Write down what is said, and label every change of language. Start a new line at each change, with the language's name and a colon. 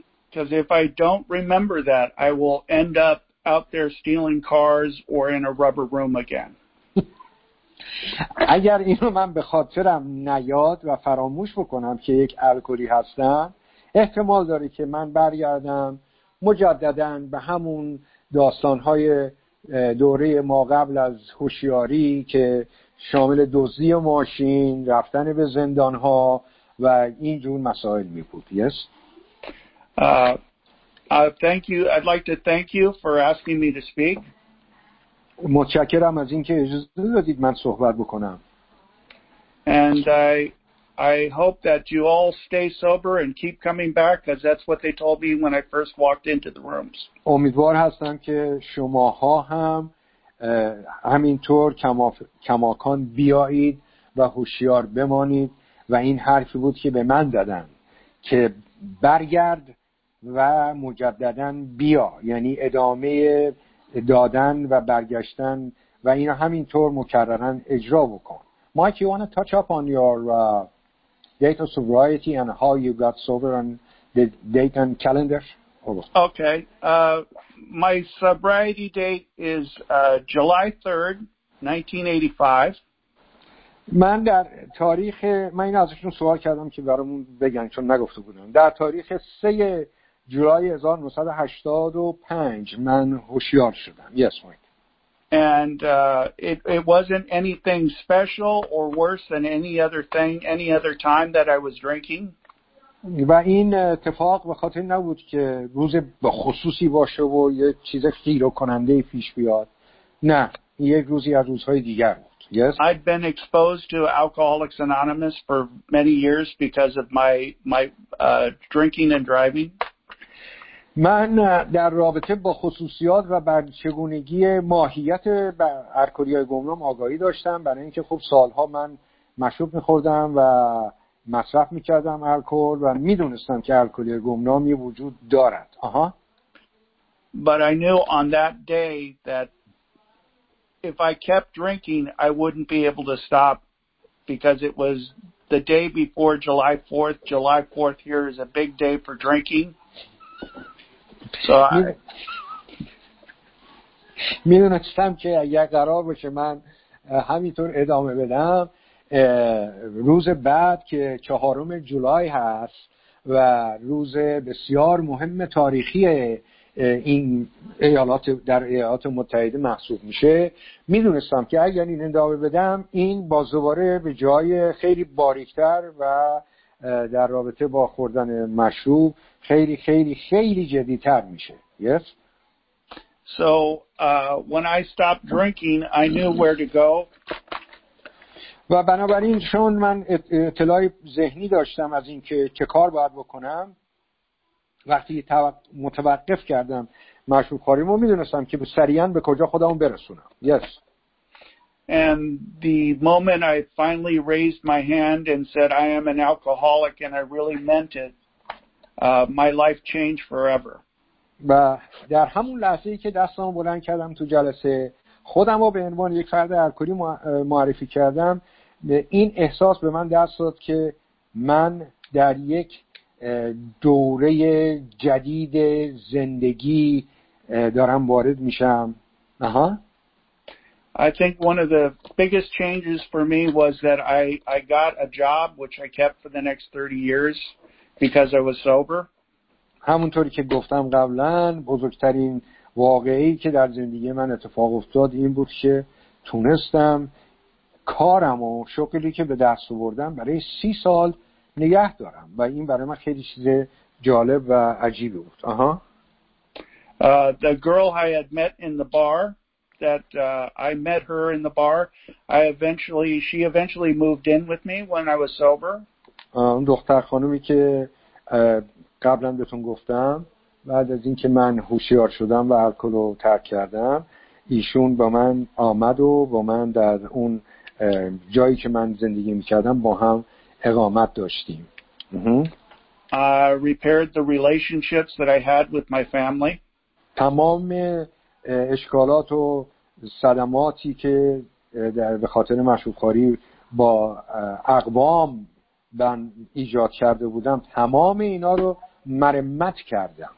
English: Because if I don't remember that, I will end up out there stealing cars or in a rubber room again.
Persian: اگر اینو من به خاطرم نیاد و فراموش بکنم که یک الکلی هستم، احتمال داره که من برگردم مجدداً به همون داستان‌های دوره ما قبل از هوشیاری که شامل دزدی ماشین، رفتن به زندان‌ها و این جور مسائل می‌بود.
English: Yes. Thank you. I'd like to thank you for asking me to speak.
Persian: متشکرم از اینکه اجازه دادید من صحبت بکنم.
English: And I hope that you all stay sober and keep coming back because that's what they told me when I first walked into the rooms.
Persian: امیدوار هستم که شماها هم همینطور کماکان بیایید و هوشیار بمانید و این حرفی بود که به من دادن که برگرد و مجددن بیا، یعنی ادامه دادن و برگشتن و اینو همینطور مکررن اجرا بکن.
English: Mike, you want to touch up on your date of sobriety and how you got sober and the date and calendar? Okay. My sobriety date is July 3rd, 1985.
Persian: من در تاریخ، من این ازشون سوال کردم که برامون بگن چون نگفته بودن. در تاریخ 3 جولای 1985 من هوشیار شدم.
English: Yes, right. And it wasn't anything special or worse than any other thing, any other time that I was drinking.
Persian: و این اتفاق به خاطر نبود که روز به خصوصی باشه و یه چیز خیر و کننده پیش بیاد. نه، یک روزی از روزهای دیگر بود.
English: Yes. I'd been exposed to Alcoholics Anonymous for many years because of my drinking and driving.
Persian: من در رابطه با خصوصیات و بر چگونگی ماهیت الکلی‌های گمنام آگاهی داشتم برای اینکه خب سالها من مشروب می‌خوردم و مصرف می‌کردم الکل و می‌دونستم که الکلی‌های گمنامی وجود دارد. آها.
English: But I knew on that day that if I kept drinking I wouldn't be able to stop because it was the day before July 4th. July 4th here is a big day for drinking. So
Persian: میدونستم که اگر قرار باشه من همینطور ادامه بدم روز بعد که 4 جولای هست و روز بسیار مهم تاریخی این ایالات در ایالات متحده محسوب میشه، میدونستم که اگر این ادامه بدم این باز دوباره به جای خیلی باریکتر و در رابطه با خوردن مشروب خیلی خیلی خیلی جدیتر میشه.
English: Yes. So when I stopped drinking, I knew where to go.
Persian: و بنابراین چون من اطلاع ذهنی داشتم از اینکه چه کار باید بکنم، وقتی متوقف کردم مشروب خوریمو میدونستم که سریعا به کجا خودمو برسونم.
English: Yes. And the moment I finally raised my hand and said I am an alcoholic and I really meant it, my life changed forever.
Persian: و در همون لحظه‌ای که دستام بلند کردم تو جلسه خودم رو به عنوان یک فرد الکلی معرفی کردم، این احساس به من دست داد که من در یک دوره جدید زندگی دارم وارد میشم. آها.
English: I think one of the biggest changes for me was that I got a job which I kept for the next 30 years because I was sober.
Persian: همونطوری که گفتم قبلا بزرگترین واقعی که در زندگی من اتفاق افتاد این بود که تونستم کارم و شغلی که به دست آوردم برای 30 سال نگه دارم و این برای من خیلی چیز جالب و عجیبی بود. آها.
English: The girl I had met in the bar that I met her in the bar she eventually moved in with me when I was sober.
Persian: اون دختر خانومی که قبلا بهتون گفتم بعد از اینکه من هوشیار شدم و الکل رو ترک کردم ایشون با من آمد و با من در اون جایی که من زندگی می‌کردم با هم اقامت داشتیم.
English: I repaired the relationships that I had with my family.
Persian: تمام اشکالات و صدماتی که در به خاطر مشروب‌خواری با اقوام من ایجاد کرده بودم تمام اینا رو مرمت کردم.